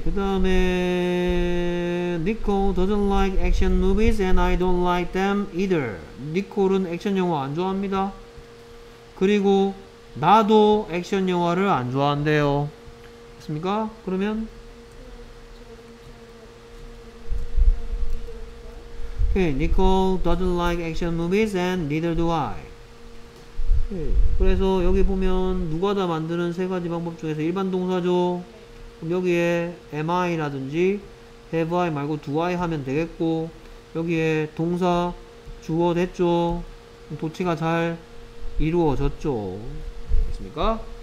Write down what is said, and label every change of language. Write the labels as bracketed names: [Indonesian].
[Korean] 그 다음에 [English] Nicole doesn't like action movies and I don't like them either. [Korean] Nicole은 액션 영화 안 좋아합니다. 그리고 나도 액션 영화를 안 좋아한대요. 됐습니까? 그러면 오케이. [English] Nicole doesn't like action movies and neither do I. [Korean] 오케이. 그래서 여기 보면 누가 다 만드는 세 가지 방법 중에서 일반 동사죠. 그럼 여기에 am I라든지 have I 말고 do I 하면 되겠고, 여기에 동사 주어 됐죠. 도치가 잘 이루어졌죠. 됐습니까?